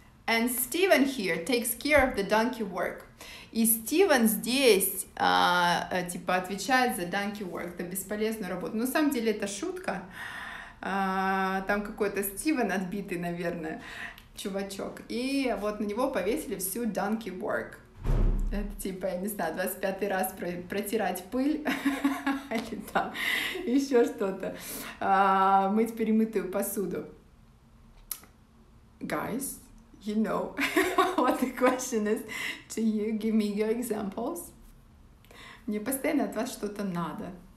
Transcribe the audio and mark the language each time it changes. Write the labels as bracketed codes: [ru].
[en] And Stephen here takes care of the donkey work. [ru] И Стивен здесь, типа, отвечает за donkey work, за бесполезную работу. Но на самом деле это шутка. Там какой-то Стивен отбитый, наверное, чувачок. И вот на него повесили всю donkey work. Это, типа, я не знаю, 25-й раз протирать пыль. Или там еще что-то. Мыть перемытую посуду. [en] Guys, you know... What the question is, do you give me your examples? [ru] Мне постоянно от вас что-то надо.